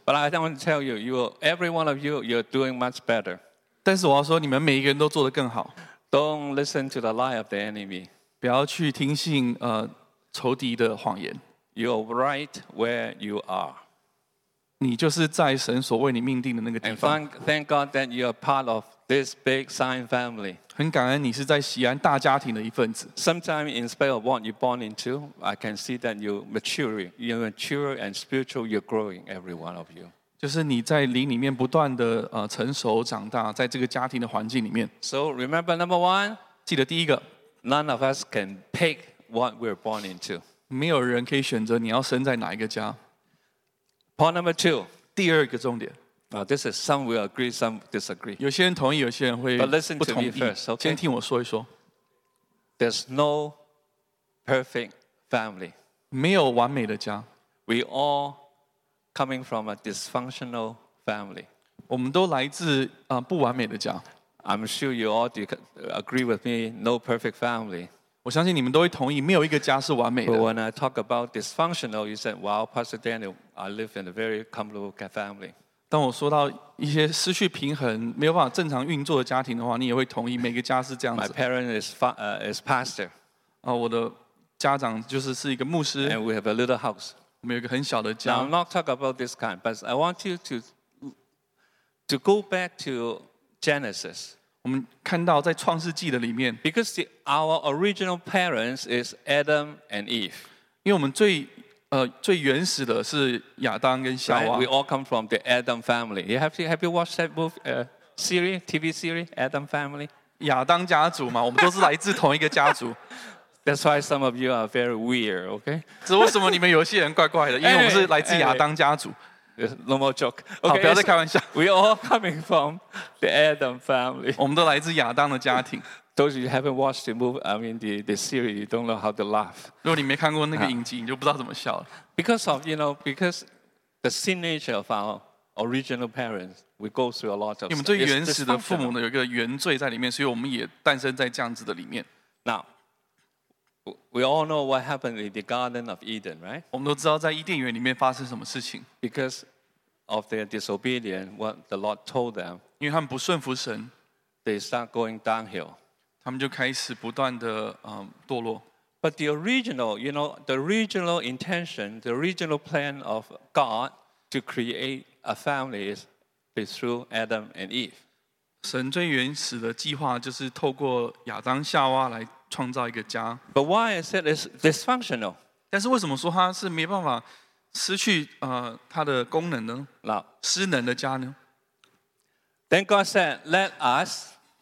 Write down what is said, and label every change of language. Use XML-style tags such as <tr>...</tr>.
<en>But I don't want to tell you, every one of you, you're doing much better.</en> <zh>但是我要说，你们每一个人都做得更好。</zh> <en>Don't listen to the lie of the enemy.</en> <zh>不要去听信仇敌的谎言。</zh> <en>You're right where you are.</en> <zh>你就是在神所为你命定的那个地方。</zh> <en>And thank God that you're part of. This big sign family.</en> <zh>很感恩你是在锡安大家庭的一份子。</zh> <en>Sometimes, in spite of what you're born into, I can see that you're mature and spiritual. You're growing, every one of you.</en> <zh>就是你在灵里面不断的成熟长大，在这个家庭的环境里面。</zh> <en>So remember number one.</en> <zh>记得第一个。</zh> <en>None of us can pick what we're born into.</en> <zh>没有人可以选择你要生在哪一个家。</zh> <en>Point number two.</en> <zh>第二个重点。</zh> <en>This is some will agree, some disagree.</en> <zh>有些人同意，有些人会不同意。</zh> <en>But listen to me first, okay?</en> <zh>先听我说一说。</zh> <en>There's no perfect family.</en> <zh>没有完美的家。</zh> <en>We all coming from a dysfunctional family.</en> <zh>我们都来自不完美的家。</zh> <en>I'm sure you all agree with me. No perfect family.</en> <zh>我相信你们都会同意，没有一个家是完美的。</zh> <en>But when I talk about dysfunctional, you said, "Wow, Pastor Daniel, I live in a very comfortable family."</en> <zh>当我说到一些失去平衡、没有办法正常运作的家庭的话，你也会同意每个家是这样子。</zh> <en>My parent is pastor.</en> <zh>我的家长就是是一个牧师。</zh> <en>And we have a little house.</en> <zh>我们有一个很小的家。</zh> <en>Now, I'm not talking about this kind, but I want you to go back to. Genesis.</en> <zh>我们看到在创世纪的里面</zh> <en>Because our original parents is Adam and Eve.</en> <zh>因为我们最原始的是亚当跟夏娃</zh> <en>We all come from the Adam family. Have you watched that movie, series, TV series, Adam family?</en> <zh>亚当家族嘛，我们都是来自同一个家族</zh> <en>That's why some of you are very weird, okay?</en> <zh>只为什么你们有些人怪怪的？因为我们是来自亚当家族。</zh> <en>No more joke.</en> <zh>Okay, 好，不要再开玩笑。</zh> <en>We all coming from the Adam family.</en> <zh>我们都来自亚当的家庭。</zh> <en>Those you haven't watched the movie, I mean the series, you don't know how to laugh.</en> <zh>如果你没看过那个影集，你就不知道怎么笑了。</zh> <en>Because of because the sin nature of our original parents, we go through a lot of. Stuff.</en> <zh>你们最原始的父母呢，有一个原罪在里面，所以我们也诞生在这样子的里面。</zh> <en>Now, we all know what happened in the Garden of Eden, right?</en> <zh>我们都知道在伊甸园里面发生什么事情。</zh> <en>Because of their disobedience, what the Lord told them,</en> <zh>因为他们不顺服神</zh> <en>they start going downhill.</en> <zh>他们就开始不断的堕落。</zh> <en>But the original, the original intention, the original plan of God to create a family is through Adam and Eve.</en> <zh>神最原始的计划就是透过亚当夏娃来创造一个家。</zh> <en>But why is it dysfunctional?</en> <zh>但是为什么说它是没办法失去它的功能呢？老失能的家呢</zh> <en>？Then God said, "Let us."</en>